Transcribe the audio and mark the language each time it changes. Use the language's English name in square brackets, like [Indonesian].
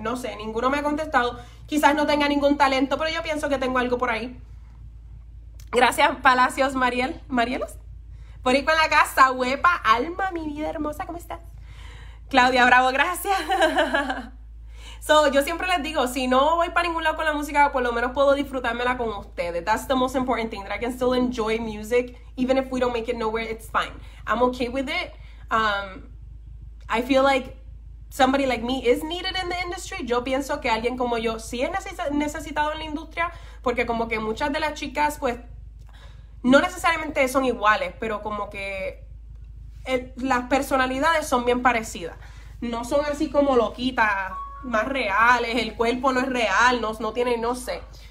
[Spanish] No sé, ninguno me ha contestado. Quizás no tenga ningún talento, pero yo pienso que tengo algo por ahí. Gracias, Palacios Mariel. ¿Marielos? Por ir con la casa, huepa, alma, mi vida hermosa, ¿cómo estás? Claudia Bravo, gracias. So, yo siempre les digo, si no voy para ningún lado con la música, por lo menos puedo disfrutármela con ustedes. [English] That's the most important thing, that I can still enjoy music, even if we don't make it nowhere, it's fine. I'm okay with it. I feel like somebody like me is needed in the industry. [Spanish] Yo pienso que alguien como yo sí es necesitado en la industria, porque como que muchas de las chicas, pues, no necesariamente son iguales, pero como que las personalidades son bien parecidas. No son así como loquitas, más reales, el cuerpo no es real, no tiene, no sé.